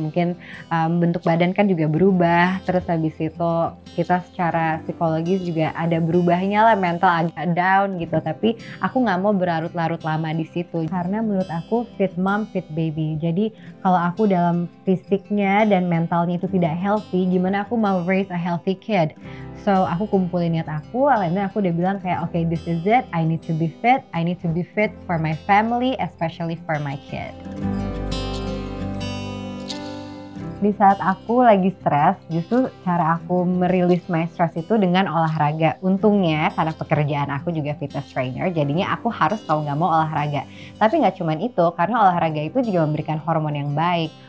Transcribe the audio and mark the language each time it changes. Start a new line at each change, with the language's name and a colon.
Indonesian: Mungkin bentuk badan kan juga berubah. Terus habis itu kita secara psikologis juga ada berubahnya lah, mental agak down gitu. Tapi aku nggak mau berlarut-larut lama di situ, karena menurut aku
English: fit mom fit baby.
Indonesian: Jadi kalau aku dalam fisiknya dan mentalnya itu tidak healthy, gimana aku mau
English: raise a healthy kid?
Indonesian: So aku kumpulin niat aku, akhirnya aku udah bilang kayak
English: okay, this is it. I need to be fit for my family, especially for my kid.
Indonesian: Di saat aku lagi stres, justru cara aku merilis
English: my stress
Indonesian: itu dengan olahraga. Untungnya, karena pekerjaan aku juga fitness trainer, jadinya aku harus kalau nggak mau olahraga. Tapi nggak cuma itu, karena olahraga itu juga memberikan hormon yang baik.